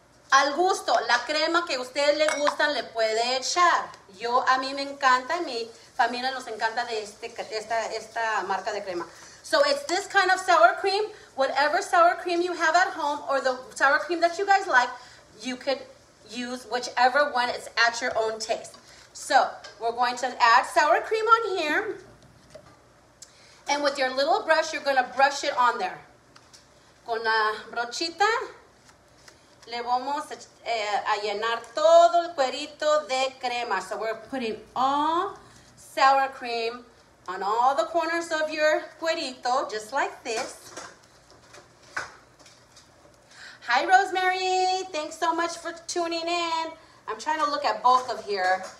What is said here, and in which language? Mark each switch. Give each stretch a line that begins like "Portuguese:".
Spanish: al gusto, la crema que a ustedes les gustan le puede echar. Yo, a mí me encanta, mi familia nos encanta de esta marca de crema.
English: So it's this kind of sour cream, whatever sour cream you have at home or the sour cream that you guys like, you could use whichever one is at your own taste. So we're going to add sour cream on here. And with your little brush, you're gonna brush it on there.
Spanish: Con la brochita, le vamos a llenar todo el cuerito de crema.
English: So we're putting all sour cream on all the corners of your cuerito, just like this. Hi, Rosemary. Thanks so much for tuning in. I'm trying to look at both of here.